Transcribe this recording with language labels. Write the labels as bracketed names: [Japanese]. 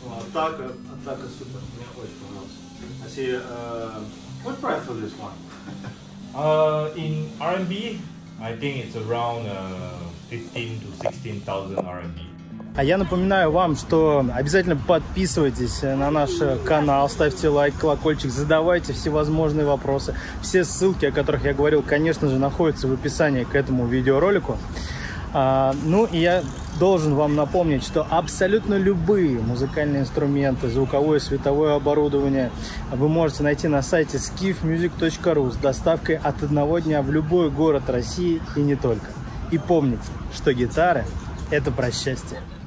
[Russian] Атака супер, мне очень понравилось. [English] What price for this one? In RMB, I think it's around 15 to 16 thousand RMB. [Russian] А я напоминаю вам, что обязательно подписывайтесь на наш канал, ставьте лайк, колокольчик, задавайте всевозможные вопросы. Все ссылки, о которых я говорил, конечно же, находятся в описании к этому видеоролику. Ну и я должен вам напомнить, что абсолютно любые музыкальные инструменты, звуковое, световое оборудование вы можете найти на сайте skifmusic.ru с доставкой от одного дня в любой город России и не только. И помните, что гитары — это про счастье.